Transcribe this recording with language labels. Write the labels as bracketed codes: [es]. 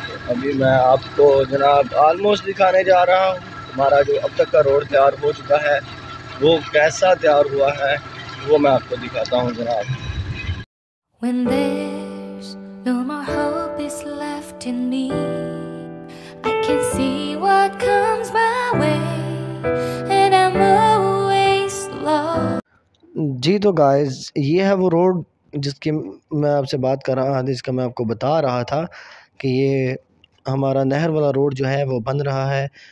[hi] अभी मैं आपको जनाब ऑलमोस्ट दिखाने जा रहा हूँ हमारा जो अब तक का रोड तैयार हो चुका है वो कैसा तैयार हुआ है, वो मैं आपको दिखाता हूँ जनाब। [en] When there's no more hope is left in me, I can see what comes my way and I'm always lost. [hi] जी तो गाइस, ये है वो रोड जिसकी मैं आपसे बात कर रहा था, जिसका मैं आपको बता रहा था कि ये हमारा नहर वाला रोड जो है वो बन रहा है।